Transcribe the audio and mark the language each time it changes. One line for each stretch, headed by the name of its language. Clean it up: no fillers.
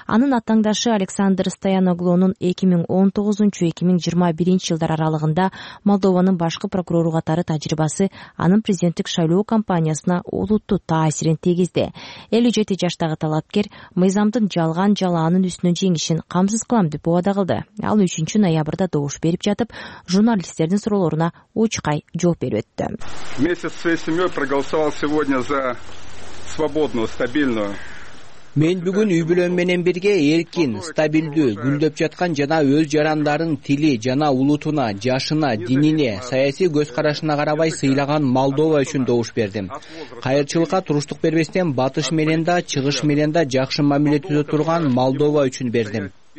Kyrgyz: Анын атаңдашы Александр Стояноглонун 2019-2021 жылдар аралыгында Молдованын башкы прокурору катары тажрыйбасы анын президенттик шайлоо кампаниясына олуттуу таасирин тийгизди. 57 жаштагы талапкер мыйзамдын жалган жалаанын үстүнөн жеңишин камсыз кылам деп убада кылды. Ал 3 ноябрда добуш берип жатып, журналисттердин суроолоруна учкай жооп берип өттү.
Russian: Вместе со своей семьей проголосовал сегодня за свободную, стабильную.
Kyrgyz: Мен бүгүн үй бүлөм менен бирге эркин, стабилдүү, гүлдөп жаткан жана өз жарандарын тили жана улутуна, жашына, динине, саясий көз карашына карабай сыйлаган Молдова үчүн добуш бердим. Кайырчылыкка туруштук бербестен батыш менен да чыгыш менен да жакшы мамиле түзө турган Молдова үчүн бердим.